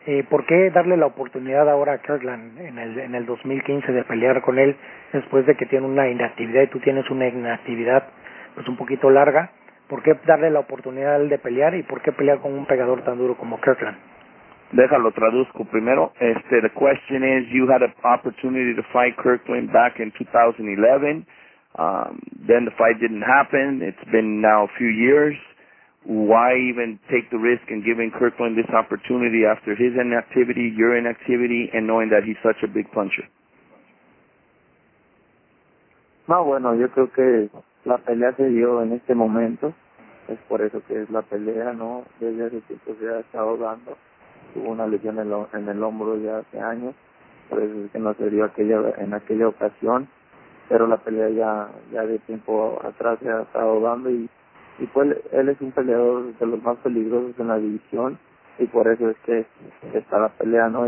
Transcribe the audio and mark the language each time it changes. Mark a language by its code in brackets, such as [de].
[es] ¿Por qué darle la oportunidad ahora a Kirkland en el 2015 de pelear con él después de que tiene una inactividad y tú tienes una inactividad pues un poquito larga? ¿Por qué darle la oportunidad a él de pelear y por qué pelear con un pegador tan duro como Kirkland? Déjalo, traduzco primero. [en] The question is, you had an opportunity to fight Kirkland back in 2011. Then the fight didn't happen. It's been now a few years. Why even take the risk in giving Kirkland this opportunity after his inactivity, your inactivity, and knowing that he's such a big puncher? [es] No, bueno, yo creo que la pelea se dio en este momento, es por eso que es la pelea, ¿no? Desde hace tiempo se ha estado dando, tuvo una lesión en el hombro ya hace años, por eso es que no se dio en aquella ocasión, pero la pelea ya de tiempo atrás se ha estado dando y pues él es un peleador de los más peligrosos en la división y por eso es que está la pelea, ¿no?